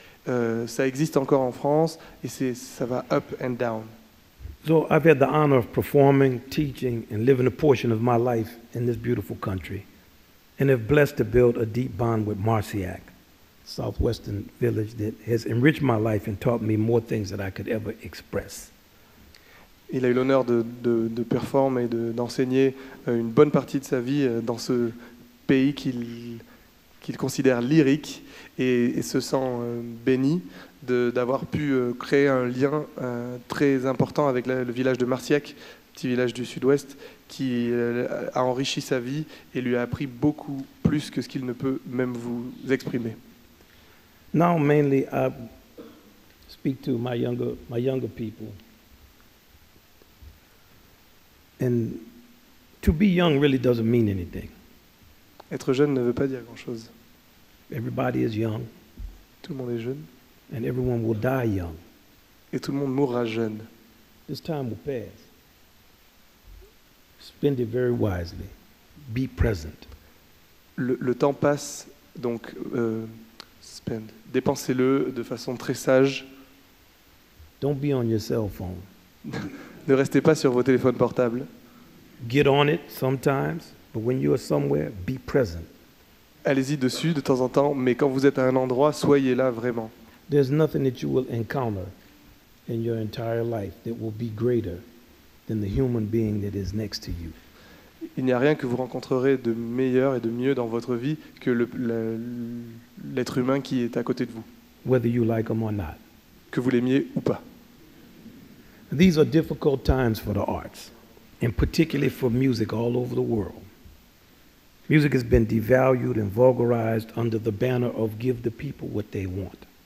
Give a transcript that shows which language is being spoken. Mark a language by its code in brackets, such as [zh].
[fr] Ça existe encore en France et ça va [en] up and down. So I've had the honor of performing, teaching and living a portion of my life in this beautiful country and have blessed to build a deep bond with Marciac, southwestern village that has enriched my life and taught me more things than I could ever express. [fr] Il a eu l'honneur de performer et d'enseigner une bonne partie de sa vie dans ce pays qu'il considère lyrique et se sent béni d'avoir pu créer un lien très important avec le village de Marciac, petit village du sud-ouest, qui a enrichi sa vie et lui a appris beaucoup plus que ce qu'il ne peut même vous exprimer. [en] Now mainly I speak to my younger people. And to be young really doesn't mean anything. [fr] Être jeune ne veut pas dire grand-chose. [en] Everybody is young. [fr] Tout le monde est jeune. [en] And everyone will die young. [fr] Et tout le monde mourra jeune. [en] This time will pass. Spend it very wisely. Be present. [fr] Le temps passe, donc spend. Dépensez-le de façon très sage. [en] Don't be on your cell phone. [fr] Ne restez pas sur vos téléphones portables. [en] Get on it sometimes, but when you are somewhere, be present. [fr] Allez-y dessus de temps en temps, mais quand vous êtes à un endroit, soyez là vraiment. [en] There's nothing that you will encounter in your entire life that will be greater than the human being that is next to you. [fr] Il n'y a rien que vous rencontrerez de meilleur et de mieux dans votre vie que l'être humain qui est à côté de vous. [en] Whether you like him or not. [fr] Que vous l'aimiez ou pas. [en] These are difficult times for the arts, and particularly for music all over the world. Music has been devalued and vulgarized under the banner of give the people what they want.